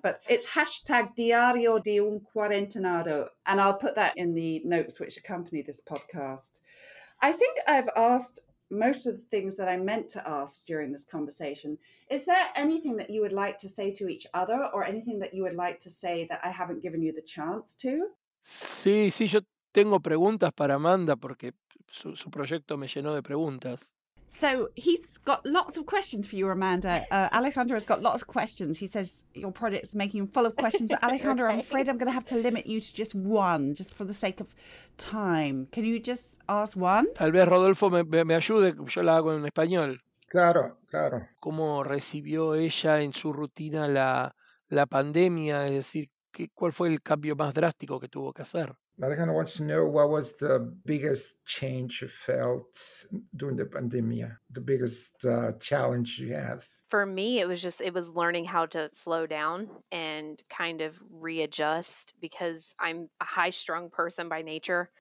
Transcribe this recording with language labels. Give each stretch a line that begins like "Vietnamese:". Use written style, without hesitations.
English: But it's hashtag Diario de un Cuarentenado. And I'll put that in the notes which accompany this podcast. I think I've asked most of the things that I meant to ask during this conversation. Is there anything that you would like to say to each other or anything that you would like to say that I haven't given you the chance to?
Spanish: Sí, sí, yo tengo preguntas para Amanda porque su proyecto me llenó de preguntas.
English: So he's got lots of questions for you, Amanda. Alejandro has got lots of questions. He says your project's making him full of questions. But Alejandro, okay. I'm afraid I'm going to have to limit you to just one, just for the sake of time. Can you just ask one?
Spanish: Tal vez Rodolfo me ayude. Yo la hago en español. Claro, claro. ¿Cómo recibió ella en su rutina la pandemia? Es decir, ¿cuál fue el cambio más drástico que tuvo que hacer?
English: But I kind of want to know, what was the biggest change you felt during the pandemic, the biggest challenge you had? For me, it was learning how to slow down and kind of readjust, because I'm a high strung person by nature.